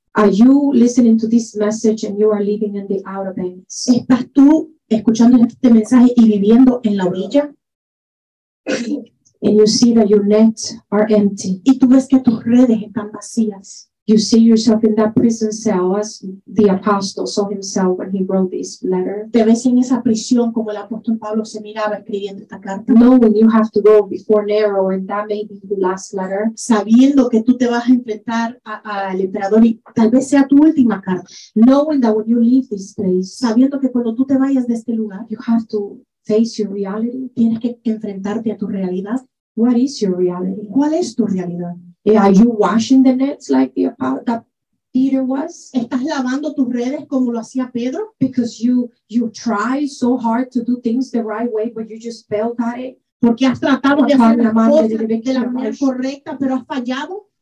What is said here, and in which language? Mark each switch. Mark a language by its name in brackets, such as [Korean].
[English] Are you listening to this message and you are living in the outer banks? [Spanish] ¿Estás tú escuchando este mensaje y viviendo en la orilla? [English] And you see that your nets are empty. [Spanish] Y tú ves que tus redes están vacías. [English] You see yourself in that prison cell as the apostle saw himself when he wrote this letter. [Spanish] Te ves en esa prisión como el apóstol Pablo se miraba escribiendo esta carta. [English] Knowing you have to go before Nero and that may be the last letter. [Spanish] Sabiendo que tú te vas a enfrentar al emperador y tal vez sea tu última carta. [English] Knowing that when you leave this place. [Spanish] Sabiendo que cuando tú te vayas de este lugar. [English] You have to face your reality. [Spanish] Tienes que enfrentarte a tu realidad. [English] What is your reality? [Spanish] ¿Cuál es tu realidad? [English] Are you washing the nets like the apostle that Peter was? [Spanish] ¿Estás lavando tus redes como lo hacía Pedro? [English] Because you try so hard to do things the right way, but you just failed at it. [Spanish] Porque has tratado de hacer las cosas de la manera correcta, pero has fallado.